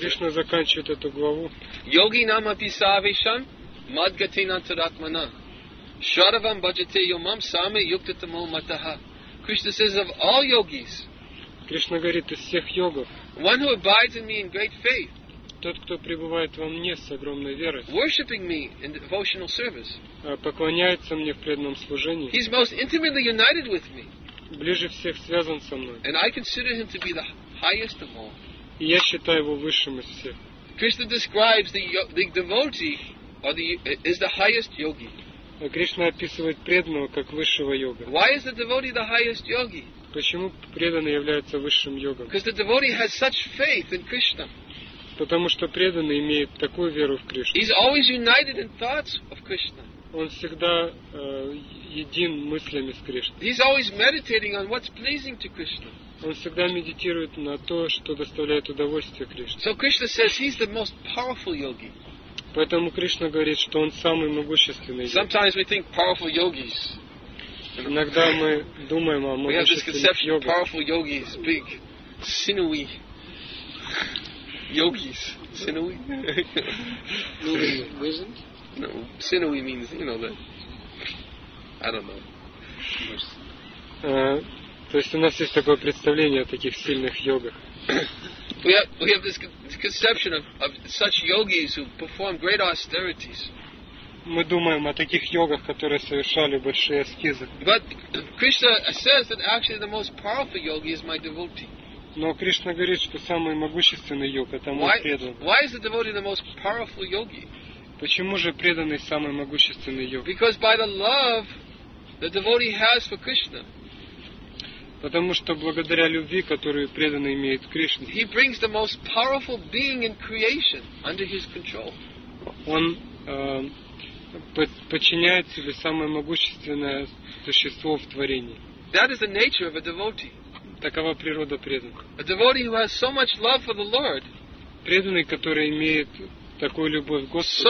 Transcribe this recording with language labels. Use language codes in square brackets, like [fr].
[ru] Кришна заканчивает эту главу. [sa] Yogi nam apisavisham madgatina taratmana. Sharavam bhajate yomam same yuktatamo mataha. [en] Krishna says of all yogis. [ru] Кришна говорит из всех йогов. [en] One who abides in me in great faith. [ru] Тот, кто пребывает во мне с огромной верой. [en] Worshipping me in devotional service. [ru] Поклоняется мне в преданном служении. [en] He's most intimately united with me. [ru] Ближе всех связан со мной. [en] And I consider him to be the highest of all. [ru] И я считаю его высшим из всех. [en] Krishna describes the devotee or the is the highest yogi. [ru] Кришна описывает преданного как высшего йога. [en] Why is the devotee the highest yogi? [ru] Почему преданный является высшим йогом? [en] Because the devotee has such faith in Krishna. [ru] Потому что преданный имеет такую веру в Кришну. [en] He's always united in thoughts of Krishna. [ru] Он всегда един мыслями с Кришной. [en] He's always meditating on what's pleasing to Krishna. [ru] Он всегда медитирует на то, что доставляет удовольствие Кришне. [en] So Krishna says he's the most powerful yogi. [ru] Поэтому Кришна говорит, что он самый могущественный йоги. [en] Sometimes we think powerful yogis. [ru] Иногда мы думаем о могущественных йогах. [en] Powerful yogis, big, sinewy yogis. Sinewy? No, sinewy means, you know, that. I don't know. [ru] То есть у нас есть такое представление о таких сильных йогах. [en] We have this conception of such yogis who perform great austerities. [ru] Мы думаем о таких йогах, которые совершали большие аскезы. [en] But Krishna says that actually the most powerful yogi is my devotee. [ru] Но Кришна говорит, что самый могущественный йог это мой преданный. [en] Why is the devotee the most powerful yogi? [ru] Почему же преданный самый могущественный йог? [en] Because by the love the devotee has for Krishna. [ru] Потому что благодаря любви, которую преданный имеет Кришне, [en] he brings the most powerful being in creation under his control. [ru] Он подчиняет себе самое могущественное существо в творении. [en] That is the nature of a devotee. [ru] Такова природа преданного. [en] A devotee who has so much love for the Lord. [ru] Преданный, который имеет такую любовь к Господу.